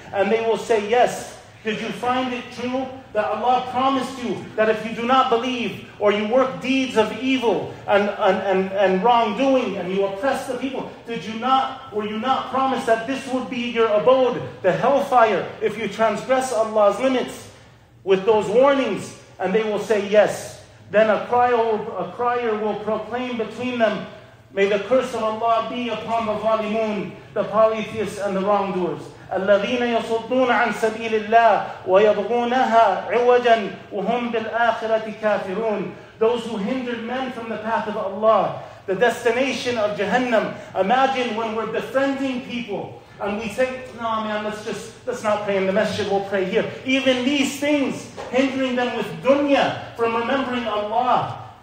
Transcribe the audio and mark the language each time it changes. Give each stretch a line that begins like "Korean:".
English: And they will say, yes. Did you find it true that Allah promised you that if you do not believe, or you work deeds of evil and wrongdoing, and you oppress the people, were you not promised that this would be your abode, the hellfire, if you transgress Allah's limits with those warnings? And they will say, yes. Then a crier will proclaim between them, may the curse of Allah be upon the zalimun, the polytheists and the wrongdoers.
Arabic: الذين يصدون عن سبيل الله ويبغونها عوجا وهم بالآخرة كافرون.
English: Those who hindered men from the path of Allah, the destination of Jahannam. Imagine when we're befriending people and we say, no man, let's not pray in the masjid, we'll pray here. Even these things, hindering them with dunya from remembering Allah.